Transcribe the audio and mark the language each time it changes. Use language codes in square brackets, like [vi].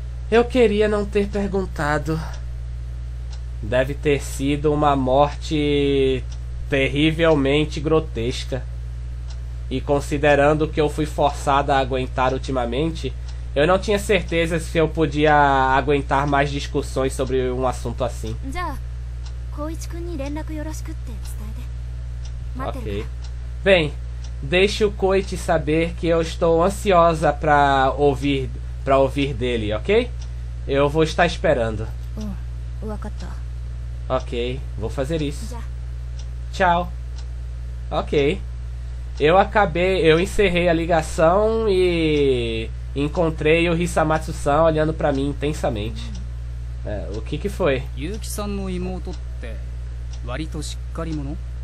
[pt] Eu queria não ter perguntado. Deve ter sido uma morte terrivelmente grotesca. E considerando que eu fui forçada a aguentar ultimamente, eu não tinha certeza se eu podia aguentar mais discussões sobre um assunto assim. [ja] じゃあ、光一君に連絡よろしくって伝えて。待ってる [en] Ok. [ja] から。 [pt] Bem, deixe o Coit saber que eu estou ansiosa para ouvir dele, ok? Eu vou estar esperando. [ja] わかった。 [pt] Ok, vou fazer isso. [ja] じゃあ。 [pt] Tchau. Ok. Eu encerrei a ligação e encontrei o Hisamatsu-san olhando para mim intensamente. O que que foi? [ja] 結城さんの妹って割としっかり者？